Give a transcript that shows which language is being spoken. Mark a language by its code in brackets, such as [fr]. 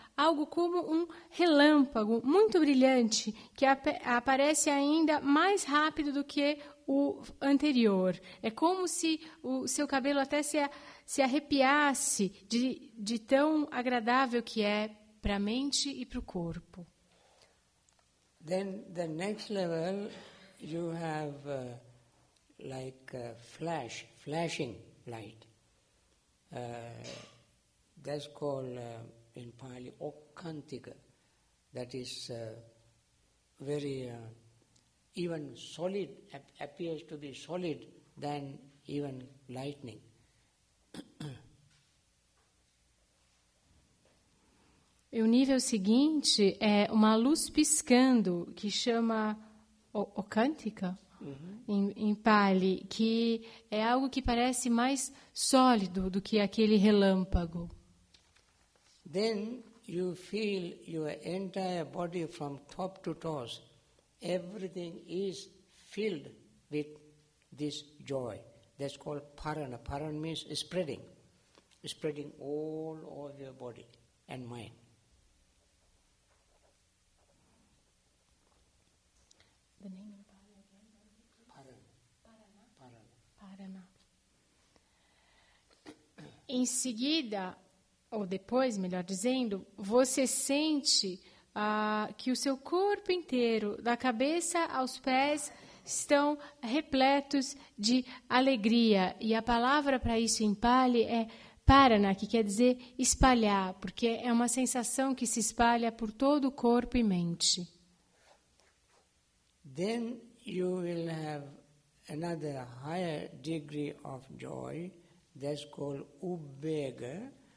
[pt] algo como um relâmpago muito brilhante que aparece ainda mais rápido do que o anterior. É como se o seu cabelo até se arrepiasse de tão agradável que é para a mente e para o corpo. [en] Then the next level you have like a flash, flashing light. That's called in Pali okkantika. That is very even solid, appears to be solid than even lightning. [pt] E o nível seguinte é uma luz piscando, que chama okkantika, em Pali, que é algo que parece mais sólido do que aquele relâmpago. [en] Then you feel your entire body from top to toes, everything is filled with this joy. That's called parana. Parana means spreading. Spreading all over your body and mind. The name in Pali again? Parana. Parana. Parana. [pt] Em seguida, ou depois, melhor dizendo, você sente que o seu corpo inteiro, da cabeça aos pés, estão repletos de alegria. E a palavra para isso em Pali é Parana, que quer dizer espalhar, porque é uma sensação que se espalha por todo o corpo e mente. [en] Then you will have another higher degree of joy, that's called ubega.